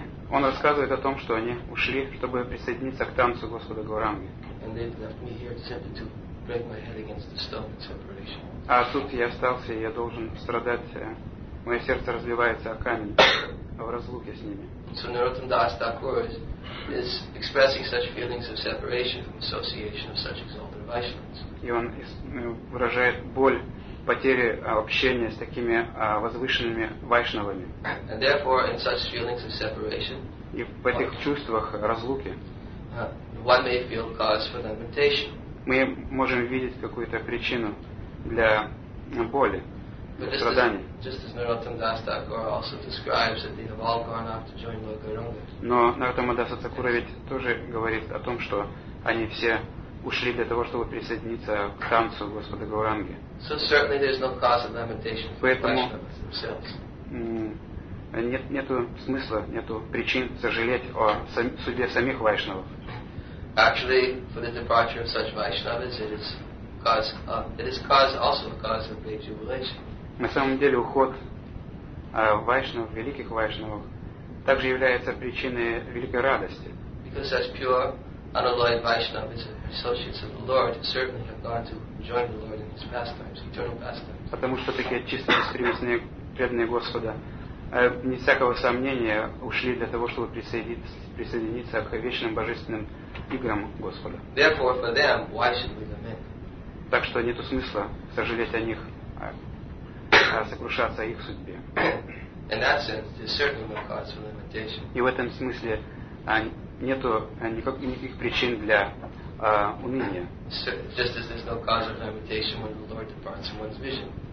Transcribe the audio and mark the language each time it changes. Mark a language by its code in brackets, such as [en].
[ru] Он рассказывает о том, что они ушли, чтобы присоединиться к танцу Господа Гауранги. [en] And they've left me here simply to break my head against the stone of separation. [ru] А тут я остался, и я должен страдать. Мое сердце разбивается о камень в разлуке с ними. [en] So Narottam Das Thakur is expressing such feelings of separation from association of such exalted Vaishnavas. [ru] И он выражает боль потери общения с такими возвышенными вайшнавами. [en] And therefore, in such feelings of separation, [ru] и в этих чувствах разлуки, [en] one may feel cause for lamentation. [ru] Мы можем видеть какую-то причину для боли, для страданий. [en] Just as Narottam Das Thakur also describes that they have all gone off to join Lord Gauranga. [ru] Но Narottama Das Thakur ведь тоже говорит о том, что они все ушли для того, чтобы присоединиться к танцу Господа Гауранги. [en] So certainly there is no cause of lamentation for the Vaishnavas themselves. [ru] Нету смысла, нету причин сожалеть о судьбе самих вайшнавов. [en] Actually, for the departure of such Vaishnavas, it is also a cause of great jubilation. [ru] На самом деле уход вайшнавов, великих вайшнавов, также является причиной великой радости. [en] Because such pure unalloyed Vaishnavas, associates of the Lord, certainly have gone to join the Lord in his pastimes, eternal pastimes. [ru] Потому что такие чистые, бескорыстные преданные Господа не всякого сомнения ушли для того, чтобы присоединиться к вечным божественным играм Господа. [en] Therefore, for them, why should we lament? [ru] Так что нету смысла сожалеть о них, сокрушаться о их судьбе. [en] In that sense, there's certainly no cause for limitation. [ru] И в этом смысле нет никаких причин для уныния. [en] Just as there's no cause of lamentation when the Lord departs from one's vision.